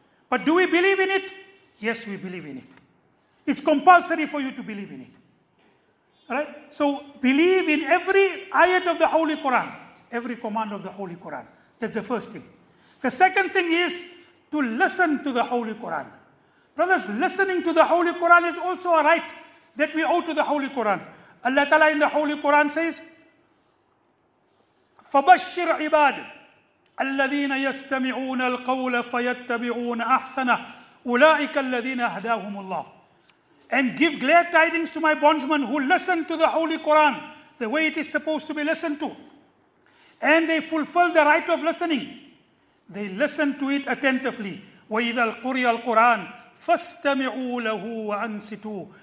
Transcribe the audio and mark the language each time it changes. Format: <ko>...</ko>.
<en>But do we believe in it? Yes, we believe in it. It's compulsory for you to believe in it. Right? So believe in every ayat of the Holy Quran, every command of the Holy Quran. That's the first thing. The second thing is to listen to the Holy Quran. Brothers, listening to the Holy Quran is also a right that we owe to the Holy Quran. Allah Ta'ala in the Holy Quran says,</en> <ar>فَبَشِّرْ عِبَادِ الَّذِينَ يَسْتَمِعُونَ الْقَوْلَ فَيَتَّبِعُونَ أَحْسَنَهُ أُولَٰئِكَ الَّذِينَ هَدَاهُمُ اللَّهُ.</ar> <en>and give glad tidings to my bondsmen who listen to the Holy Quran the way it is supposed to be listened to. And they fulfill the right of listening. They listen to it attentively.</en> <ar>وَإِذَا الْقُرِيَ الْقُرْآنِ فَاسْتَمِعُوا لَهُ وَأَنْسِتُوا.</ar>